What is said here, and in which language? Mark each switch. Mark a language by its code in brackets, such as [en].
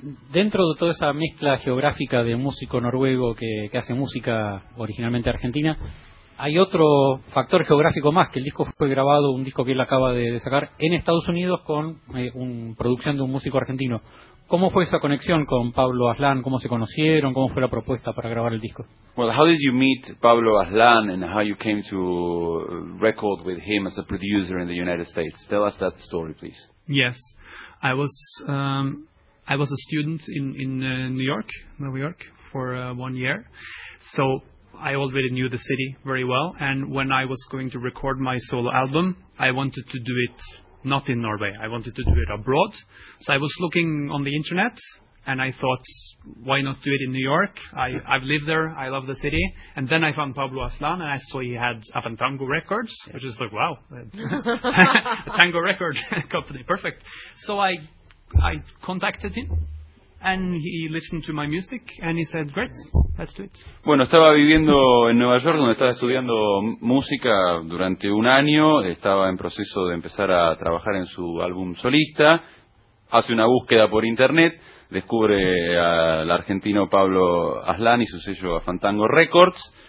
[es] Dentro de toda esa mezcla geográfica de músico noruego que hace música originalmente argentina, hay otro factor geográfico más, que el disco fue grabado, un disco que él acaba de sacar, en Estados Unidos con producción de un músico argentino. ¿Cómo fue esa conexión con Pablo Aslan? ¿Cómo se conocieron? ¿Cómo fue la propuesta para grabar el disco? [en] Well, how did you meet Pablo Aslan and how you came to record with him as a producer in the United States? Tell us that story, please. Yes, I was a student in New York for 1 year, so I already knew the city very well. And when I was going to record my solo album, I wanted to do it not in Norway. I wanted to do it abroad. So I was looking on the internet, and I thought, why not do it in New York? I've lived there. I love the city. And then I found Pablo Aslan, and I saw he had Avantango Records, which is like, wow, a tango record company, perfect. So I contacted him, and he listened to my music, and he said, great, let's do it. [es] Bueno, estaba viviendo en Nueva York, donde estaba estudiando música durante un año. Estaba en proceso de empezar a trabajar en su álbum solista. Hace una búsqueda por internet, descubre al argentino Pablo Aslan y su sello Avantango Records.